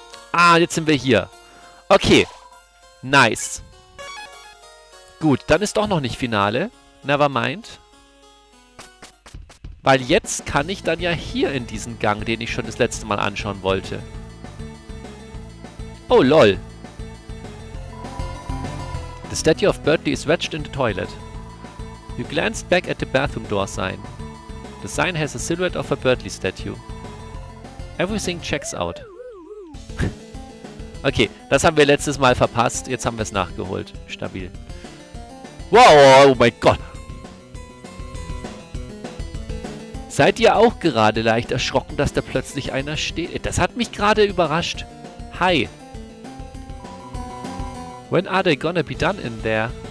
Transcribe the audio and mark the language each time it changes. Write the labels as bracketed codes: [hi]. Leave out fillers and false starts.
[de] Ah, jetzt sind wir hier. Okay. Nice. Gut, dann ist doch noch nicht Finale. Nevermind. Weil jetzt kann ich dann ja hier in diesen Gang, den ich schon das letzte Mal anschauen wollte. Oh, lol. [en] The statue of Birdly is wedged in the toilet. You glanced back at the bathroom door sign. The sign has a silhouette of a Birdly statue. Everything checks out. [de] Okay, das haben wir letztes Mal verpasst. Jetzt haben wir es nachgeholt. Stabil. Wow, oh mein Gott. Seid ihr auch gerade leicht erschrocken, dass da plötzlich einer steht? Das hat mich gerade überrascht. Hi. [en] When are they gonna be done in there?